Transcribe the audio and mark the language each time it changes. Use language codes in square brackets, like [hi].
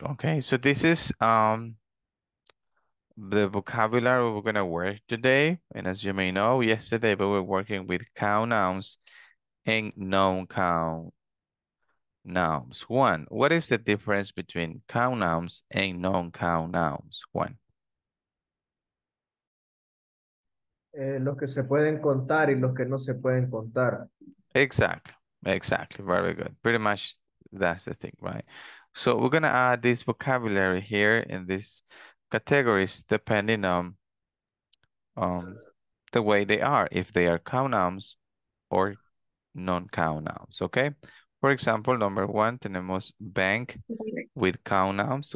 [en] Okay, so this is the vocabulary we're going to work today. And as you may know, yesterday we were working with count nouns and non-count nouns. One, what is the difference between count nouns and non-count nouns? One. [es] Los que se pueden contar y los que no se pueden contar. [en] Exactly. Exactly. Very good. Pretty much that's the thing, right? So we're going to add this vocabulary here in these categories depending on the way they are, if they are count nouns or non-count nouns, okay? For example, number one, [es] tenemos [en] bank with count nouns.